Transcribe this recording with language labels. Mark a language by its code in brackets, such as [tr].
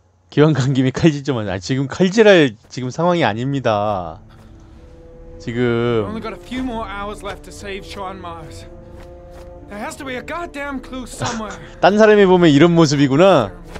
[ko] 기왕 간 김에 칼질 좀 하자. 아, 지금 칼질할 지금 상황이 아닙니다. 지금 [en] only got a few more hours left to save Sean Mars. There has to be a goddamn clue somewhere. [ko] 딴 사람이 보면 이런 모습이구나.